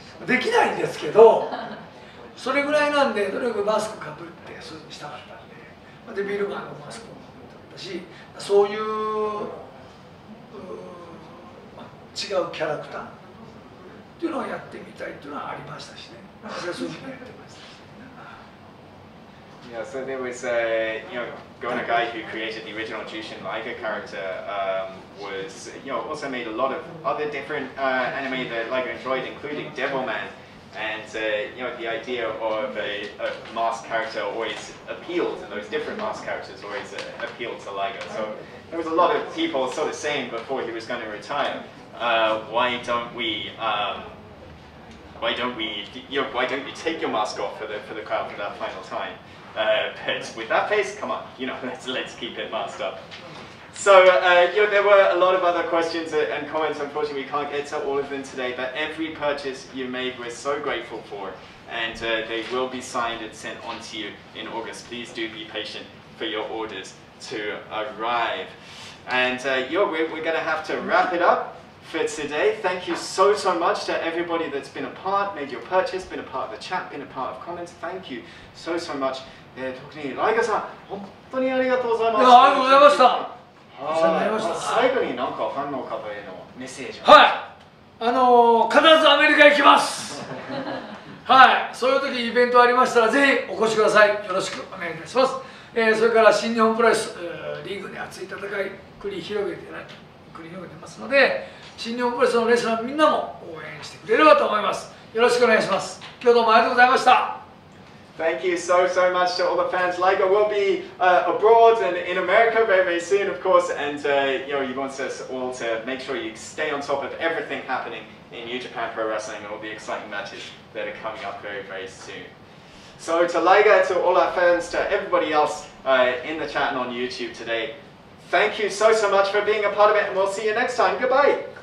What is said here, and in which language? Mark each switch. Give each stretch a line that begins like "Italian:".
Japanese: できないんですけど、それぐらいなんで、とにかくマスクかぶってそうしたかったんで。で、ビルマンのマスクもかぶったし、そういう、違うキャラクターっていうのをやってみたいっていうのはありましたしね。私はそういうふうにやってました。
English: Yeah, so there was Gona Gai, who created the original Jyushin Liger character, was also made a lot of other different anime that Liger enjoyed, including Devilman, and the idea of a mask character always appealed, and those different mask characters always appealed to Liger. So there was a lot of people sort of saying before he was going to retire, why don't you take your mask off for the crowd for that final time? But with that face, come on, let's keep it masked up. So, there were a lot of other questions and comments. Unfortunately, we can't get to all of them today, but every purchase you made, we're so grateful for, and they will be signed and sent on to you in August. Please do be patient for your orders to arrive. And we're going to have to wrap it up for today. Thank you so, so much to everybody that's been a part, made your purchase, been a part of the chat, been a part of comments. Thank you so, so much.
Japanese: 特にライガーさん、本当にありがとうございます。ありがとうございました。まあ、最後になんかファンの方へのメッセージは。はい。必ずアメリカ行きます。はい。そういう時イベントありましたら、ぜひお越しください。よろしくお願いいたします。それから新日本プロレス、リーグで熱い戦い繰り広げてますので、新日本プロレスのレスラーみんなも応援してくれればと思います。よろしくお願いします。今日どうもありがとうございました。
English: Thank you so, so much to all the fans. Liger will be abroad and in America very, very soon, of course. And you know, he wants us all to make sure you stay on top of everything happening in New Japan Pro Wrestling and all the exciting matches that are coming up very, very soon. So to Liger, to all our fans, to everybody else in the chat and on YouTube today, thank you so, so much for being a part of it, and we'll see you next time. Goodbye.